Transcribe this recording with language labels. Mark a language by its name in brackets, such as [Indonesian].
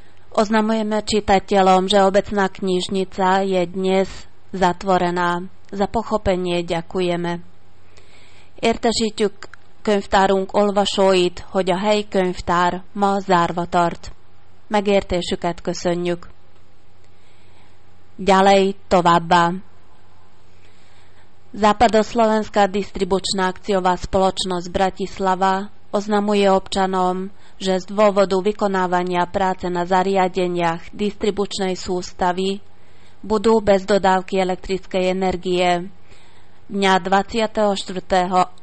[Slovak] Oznamujeme čitateľom, že obecná knižnica je dnes zatvorená. Za pochopenie ďakujeme. [Hungarian] Értesítjük könyvtárunk olvasóit, hogy a helyi könyvtár ma zárva tart. Megértésüket köszönjük. [Slovak] Ďalej [Hungarian] továbbá. [Slovak] Západoslovenská distribučná akciová spoločnosť Bratislava oznamuje občanom, že z dôvodu vykonávania práce na zariadeniach distribučnej sústavy budú bez dodávky elektrickej energie dňa 24.